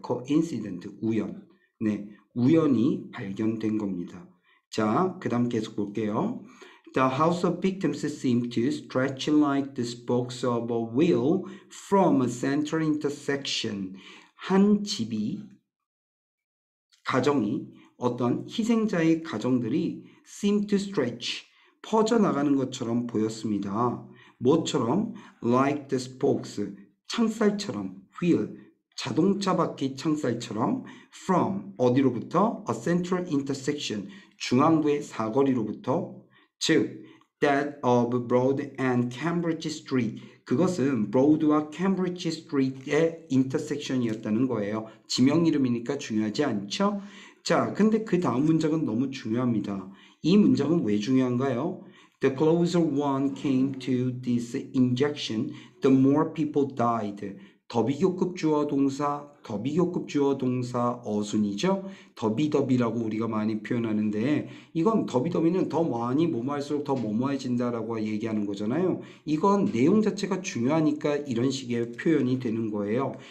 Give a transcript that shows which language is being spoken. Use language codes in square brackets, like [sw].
[ko] 코인시던트, 우연. 네, 우연히 발견된 겁니다. 자, 그 다음 계속 볼게요. [en] The house of victims seemed to stretch like the spokes of a wheel from a central intersection. [ko] 한 집이, 가정이, 어떤 희생자의 가정들이 [en] seemed to stretch, [ko] 퍼져나가는 것처럼 보였습니다. 뭐처럼? [en] Like the spokes. [ko] 창살처럼, wheel, 자동차 바퀴 창살처럼, from, 어디로부터? [en] A central intersection, [ko] 중앙부의 사거리로부터. [en] 즉, that of Broad and Cambridge Street. [ko] 그것은 Broad와 Cambridge Street의 intersection이었다는 거예요. 지명 이름이니까 중요하지 않죠? 자, 근데 그 다음 문장은 너무 중요합니다. 이 문장은 왜 중요한가요? [en] The closer one came to this injection, the more people died. [ko] 더비교급 주어 동사, 더비교급 주어 동사 어순이죠? 더비더비라고 우리가 많이 표현하는데, 이건 더비더비는 더 많이 뭐뭐할수록 더 뭐뭐해진다라고 얘기하는 거잖아요. 이건 내용 자체가 중요하니까 이런 식의 표현이 되는 거예요.